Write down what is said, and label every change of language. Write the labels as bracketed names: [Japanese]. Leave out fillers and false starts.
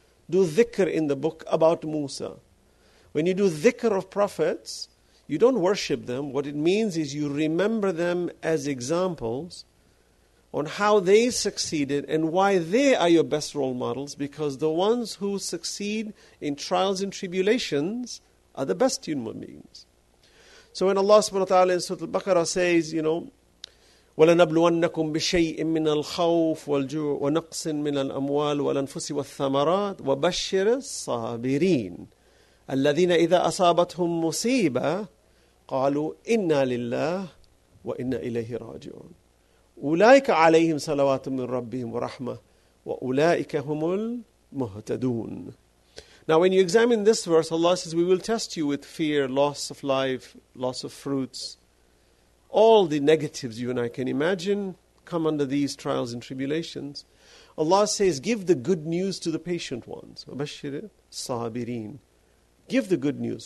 [English] Do dhikr in the book about Musa. When you do dhikr of prophets, you don't worship them. What it means is you remember them as examples on how they succeeded and why they are your best role models, because the ones who succeed in trials and tribulations are the best human beings. So when Allah subhanahu wa ta'ala in Surah Al-Baqarah says, you know, [Arabic] وَلَنَبْلُوَنَّكُمْ بِشَيْءٍ مِّنَ الْخَوْفِ وَالْجُوعِ وَنَقْصٍ مِّنَ الْأَمْوَالِ وَالْأَنفُسِ وَالثَّمَرَاتِ وَبَشِّرِ الصَّابِرِينَ الَّذِينَ إِذَا أَصَابَتْهُمْ مُصِيبَةً قَالُوا إِنَّا لِلَّهِ وَإِنَّا إِلَيْهِ رَاجِعُونَ أُولَئِكَ عَلَيْهِمْ صَلَوَاتٌ مِّن رَبِّهِمْ وَرَحْمَةٌ وَأُولَئِكَ هُمُ الْمُهْتَدُونَ. [English] Now when you examine this verse, Allah says, we will test you with fear, loss of life, loss of fruits. All the negatives you and I can imagine come under these trials and tribulations. Allah says, give the good news to the patient ones. [Arabic] وَبَشِّرِ الصَّابِرِينَ. [English] Give the good news.